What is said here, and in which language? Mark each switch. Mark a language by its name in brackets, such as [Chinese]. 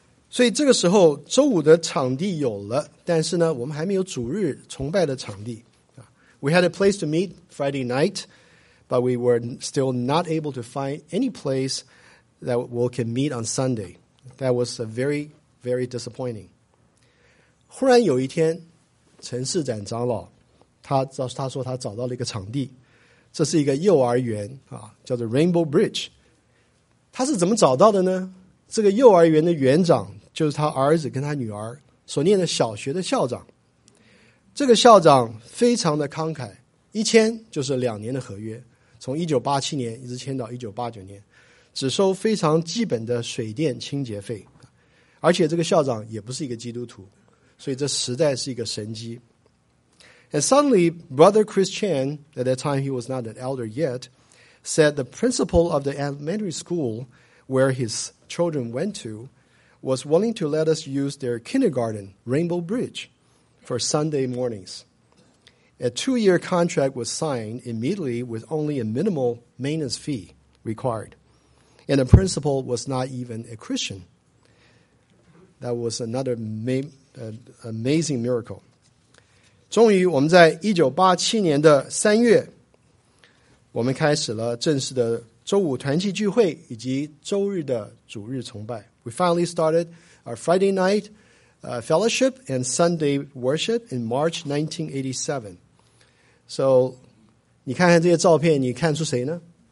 [Chinese] So 这个时候周五的场地有了，但是呢，我们还没有主日崇拜的场地。 [English] We had a place to meet Friday night, but we were still not able to find any place that we can meet on Sunday. That was a very, very disappointing. [Chinese] 忽然有一天，陈市长长老，他说他找到了一个场地，这是一个幼儿园，叫做Rainbow Bridge. 他是怎么找到的呢？这个幼儿园的园长就是他儿子跟他女儿所念的小学的校长。这个校长非常的慷慨，一签就是2年的合约。从1987年一直签到1989年， 只收非常基本的水电清洁费，而且这个校长也不是一个基督徒，所以这实在是一个神迹。 [English] And suddenly, Brother Chris Chan, at that time he was not an elder yet, said the principal of the elementary school where his children went to was willing to let us use their kindergarten, Rainbow Bridge, for Sunday mornings. A two-year contract was signed immediately with only a minimal maintenance fee required. And the principal was not even a Christian. That was another amazing miracle. [Chinese] 终于我们在1987年的3月, 我们开始了正式的周五团契聚会以及周日的主日崇拜。 [English] We finally started our Friday night fellowship and Sunday worship in March 1987. So, [Chinese] 你看看这些照片，你看出谁呢？